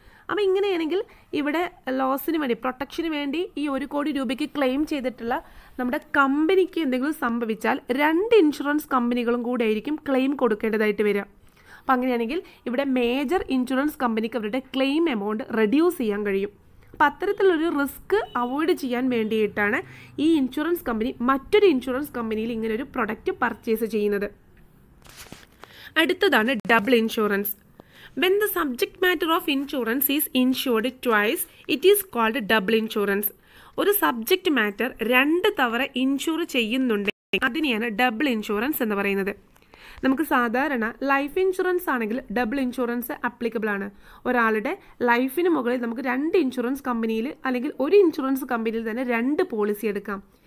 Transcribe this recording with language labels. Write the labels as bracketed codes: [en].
[ml] അപ്പോൾ ഇങ്ങനെയാണെങ്കിൽ ഇവിടെ ലോസിന് വേണ്ടി, പ്രൊട്ടക്ഷന് വേണ്ടി ഈ 1 crore rupees ക്ലെയിം ചെയ്തിട്ടുള്ള നമ്മുടെ കമ്പനിക്ക് എന്തെങ്കിലും സംഭവിച്ചാൽ രണ്ട് ഇൻഷുറൻസ് കമ്പനികളും കൂടി ആയിരിക്കും ക്ലെയിം കൊടുക്കേണ്ടതായിട്ട് വരിക. അപ്പോൾ അങ്ങനെയാണെങ്കിൽ ഇവിടെ മേജർ ഇൻഷുറൻസ് കമ്പനിക്ക് അവരുടെ ക്ലെയിം എമൗണ്ട് റെഡ്യൂസ് ചെയ്യാൻ കഴിയും. അപ്പോൾ അത്തരത്തിലൊരു റിസ്ക് അവോയ്ഡ് ചെയ്യാൻ വേണ്ടിയിട്ടാണ് ഈ ഇൻഷുറൻസ് കമ്പനി മറ്റൊരു ഇൻഷുറൻസ് കമ്പനിയിൽ ഇങ്ങനൊരു പ്രൊഡക്റ്റ് പർച്ചേസ് ചെയ്യുന്നത്. അടുത്തതാണ് double insurance. [en] When the subject matter of insurance is insured twice, it is called double insurance. [ml] ഒരു സബ്ജക്റ്റ് മാറ്റർ രണ്ട് തവണ ഇൻഷുർ ചെയ്യുന്നുണ്ടെങ്കിൽ അതിനെയാണ് ഡബിൾ ഇൻഷുറൻസ് എന്ന് പറയുന്നത്. നമുക്ക് സാധാരണ ലൈഫ് ഇൻഷുറൻസ് ആണെങ്കിൽ ഡബിൾ ഇൻഷുറൻസ് അപ്ലിക്കബിൾ ആണ്. ഒരാളുടെ ലൈഫിന് മുകളിൽ നമുക്ക് രണ്ട് ഇൻഷുറൻസ് കമ്പനിയിൽ അല്ലെങ്കിൽ ഒരു ഇൻഷുറൻസ് കമ്പനിയിൽ തന്നെ രണ്ട് പോളിസി എടുക്കാം.